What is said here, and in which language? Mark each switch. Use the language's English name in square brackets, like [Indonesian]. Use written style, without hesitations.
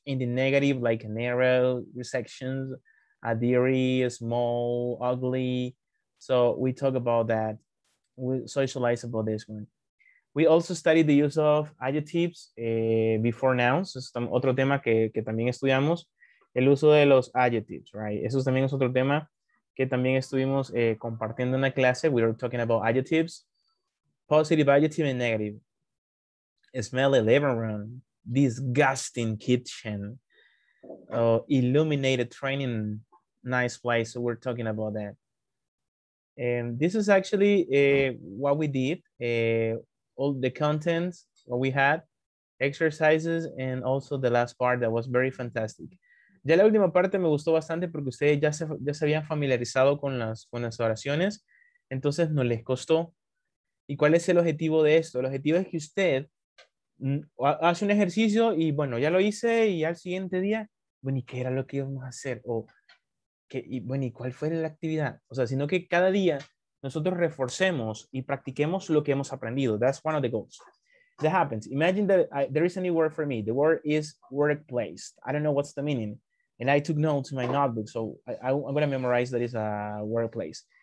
[English] In the negative, like narrow sections, a dairy, small, ugly. So we talk about that. We socialize about this one. We also study the use of adjectives before nouns. [Spanish] Es otro tema que también estudiamos. El uso de los adjectives, right? Eso también es otro tema que también estuvimos compartiendo en la clase. [English] We were talking about adjectives. Positive adjective and negative. Smelly living room. Disgusting kitchen. Illuminated training. Nice place. So we're talking about that. And this is actually what we did. All the contents, what we had, exercises, and also the last part that was very fantastic. [Spanish] Ya la última parte me gustó bastante porque ustedes ya se habían familiarizado con las oraciones, entonces no les costó. ¿Y cuál es el objetivo de esto? El objetivo es que usted hace un ejercicio y bueno, ya lo hice y al siguiente día, bueno, ¿y qué era lo que íbamos a hacer? ¿Y cuál fue la actividad? O sea, sino que cada día nosotros reforcemos y practiquemos lo que hemos aprendido. [English] That's one of the goals. That happens. Imagine that there is a new word for me. The word is workplace. I don't know what's the meaning. And I took notes in my notebook. So I'm going to memorize that is a workplace.